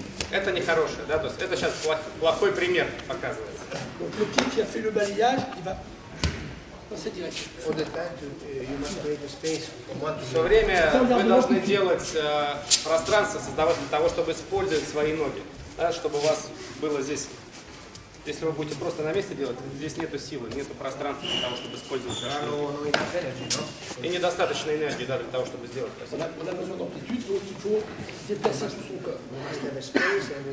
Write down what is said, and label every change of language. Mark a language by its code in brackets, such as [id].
[ru] Это не хорошее, да, то есть это сейчас плохой пример показывается. [fr] Donc le pied qui a fait le balayage, il va dans cette direction. [en] All the time, you must create a space. [ru] Все время вы должны делать пространство, создавать для того, чтобы использовать свои ноги, да, чтобы у вас было здесь. Если вы будете просто на месте делать, здесь нету силы, нету пространства для того, чтобы использовать ваши ноги. И недостаточно энергии, да, для того, чтобы сделать. [fr] On a besoin d'amplitude, donc il faut déplacer tout son corps.